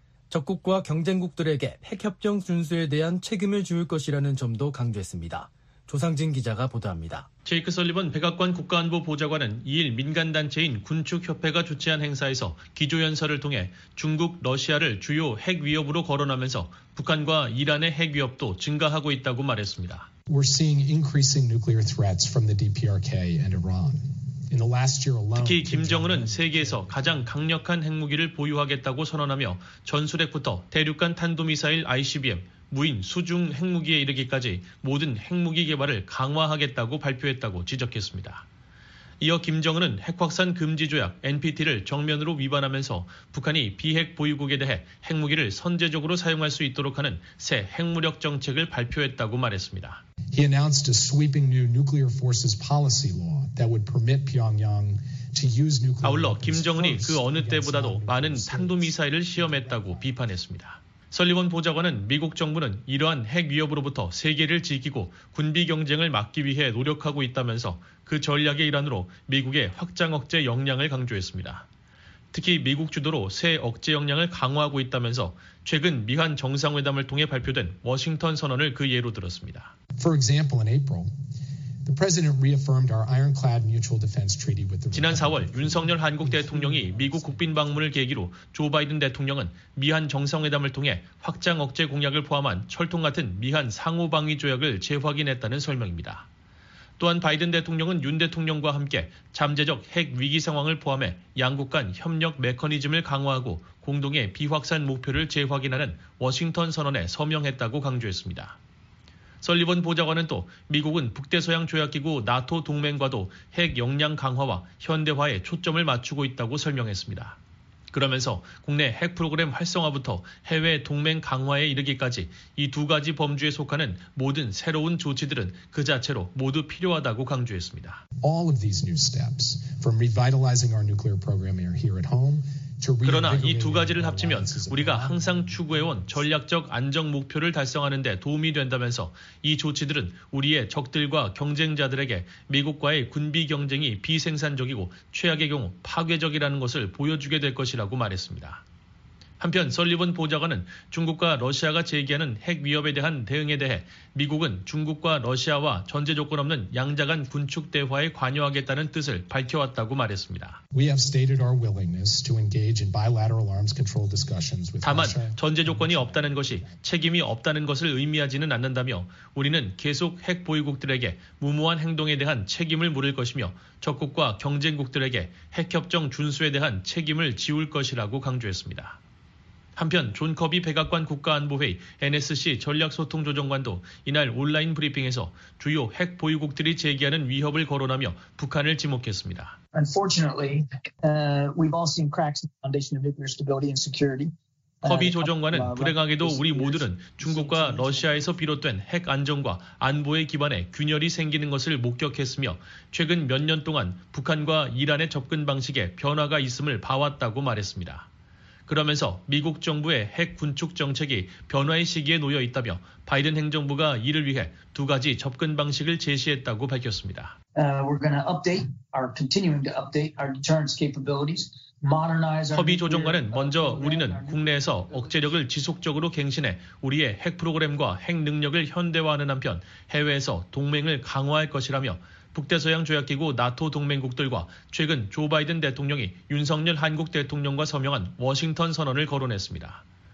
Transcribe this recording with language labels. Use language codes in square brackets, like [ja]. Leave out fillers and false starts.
[ko] 적국과 경쟁국들에게 핵협정 준수에 대한 책임을 지울 것이라는 점도 강조했습니다. 조상진 기자가 보도합니다. 제이크 설리번 백악관 국가안보보좌관은 2일 민간단체인 군축협회가 주최한 행사에서 기조연설을 통해 중국, 러시아를 주요 핵 위협으로 거론하면서 북한과 이란의 핵 위협도 증가하고 있다고 말했습니다. [en] We're seeing increasing nuclear threats from the DPRK and Iran. In the last year alone, [ko] 특히 김정은은 세계에서 가장 강력한 핵무기를 보유하겠다고 선언하며 전술핵부터 대륙간 탄도미사일 ICBM, 무인 수중 핵무기에 이르기까지 모든 핵무기 개발을 강화하겠다고 발표했다고 지적했습니다. 이어 김정은은 핵확산 금지조약 NPT를 정면으로 위반하면서 북한이 비핵 보유국에 대해 핵무기를 선제적으로 사용할 수 있도록 하는 새 핵무력 정책을 발표했다고 말했습니다. [en] He announced a sweeping new nuclear forces policy law that would permit Pyongyang to use nuclear. [ko] 아울러 김정은이 그 어느 때보다도 많은 탄도미사일을 시험했다고 비판했습니다. 설리번 보좌관은 미국 정부는 이러한 핵 위협으로부터 세계를 지키고 군비 경쟁을 막기 위해 노력하고 있다면서 그 전략의 일환으로 미국의 확장 억제 역량을 강조했습니다. 특히 미국 주도로 새 억제 역량을 강화하고 있다면서 최근 미한 정상회담을 통해 발표된 워싱턴 선언을 그 예로 들었습니다. [en] For example, in April, the president reaffirmed our ironclad mutual defense treaty with the [ko] 지난 4월 윤석열 한국 대통령이 미국 국빈 방문을 계기로 조 바이든 대통령은 미한 정상회담을 통해 확장 억제 공약을 포함한 철통 같은 미한 상호 방위 조약을 재확인했다는 설명입니다. 또한 바이든 대통령은 윤 대통령과 함께 잠재적 핵 위기 상황을 포함해 양국 간 협력 메커니즘을 강화하고 공동의 비확산 목표를 재확인하는 워싱턴 선언에 서명했다고 강조했습니다. 설리번 보좌관은 또 미국은 북대서양 조약기구 나토 동맹과도 핵 역량 강화와 현대화에 초점을 맞추고 있다고 설명했습니다. 그러면서 국내 핵 프로그램 활성화부터 해외 동맹 강화에 이르기까지 이 두 가지 범주에 속하는 모든 새로운 조치들은 그 자체로 모두 필요하다고 강조했습니다. [en] All of these new steps from revitalizing our nuclear program here at home. [ko] 그러나 이 두 가지를 합치면 우리가 항상 추구해온 전략적 안정 목표를 달성하는 데 도움이 된다면서 이 조치들은 우리의 적들과 경쟁자들에게 미국과의 군비 경쟁이 비생산적이고 최악의 경우 파괴적이라는 것을 보여주게 될 것이라고 말했습니다. 한편 설리번 보좌관은 중국과 러시아가 제기하는 핵 위협에 대한 대응에 대해 미국은 중국과 러시아와 전제 조건 없는 양자 간 군축 대화에 관여하겠다는 뜻을 밝혀왔다고 말했습니다. [en] We have stated our willingness to engage in bilateral arms control discussions with Russia. [ko] 다만 전제 조건이 없다는 것이 책임이 없다는 것을 의미하지는 않는다며 우리는 계속 핵 보유국들에게 무모한 행동에 대한 책임을 물을 것이며 적국과 경쟁국들에게 핵협정 준수에 대한 책임을 지울 것이라고 강조했습니다. 한편 존 커비 백악관 국가안보회의 NSC 전략소통조정관도 이날 온라인 브리핑에서 주요 핵 보유국들이 제기하는 위협을 거론하며 북한을 지목했습니다. [en] Unfortunately, we've all seen cracks in the foundation of nuclear stability and security. [ko] 커비 조정관은 불행하게도 우리 모두는 중국과 러시아에서 비롯된 핵 안전과 안보의 기반에 균열이 생기는 것을 목격했으며 최근 몇 년 동안 북한과 이란의 접근 방식에 변화가 있음을 봐왔다고 말했습니다. 그러면서 미국 정부의 핵 군축 정책이 변화의 시기에 놓여 있다며 바이든 행정부가 이를 위해 두 가지 접근 방식을 제시했다고 밝혔습니다. [en] We're going to update our continuing to update our deterrence capabilities. [ko] 허비 조정관은 먼저 우리는 국내에서 억제력을 지속적으로 갱신해 우리의 핵 프로그램과 핵 능력을 현대화하는 한편 해외에서 동맹을 강화할 것이라며 북대서양 조약기구 나토 동맹국들과 최근 조 바이든 대통령이 윤석열 한국 대통령과 서명한 워싱턴 선언을 거론했습니다.